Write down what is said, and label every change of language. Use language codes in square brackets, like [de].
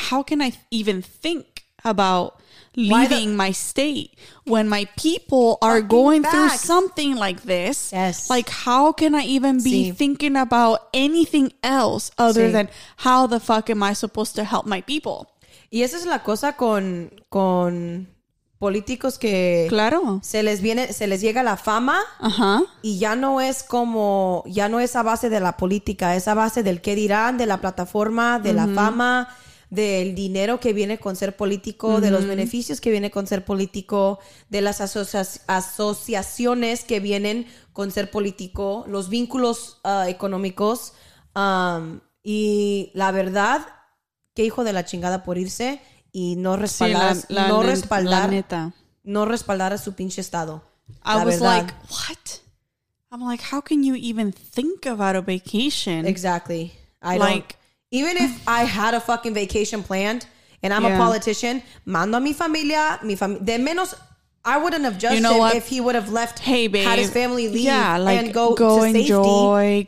[en] How can I even think about leaving my state when my people are going through something like this? Yes. Like, how can I even be thinking about anything else other than how the fuck am I supposed to help my people? [es] Y esa es la cosa con políticos que se les llega la fama y ya no es a base de la política, es a base del qué dirán, de la plataforma, de la fama, del dinero que viene con ser político, de los beneficios que viene con ser político, de las asociaciones que vienen con ser político, los vínculos económicos. Y la verdad, qué hijo de la chingada por irse y no respaldar, no respaldar a su pinche estado. [en] I was like, what? I'm like, how can you even think about a vacation? Exactly. Even if I had a fucking vacation planned and I'm a politician, [es] mando a mi familia, de menos, [en] I wouldn't have judged if he would have left, had his family leave and go to enjoy, safety.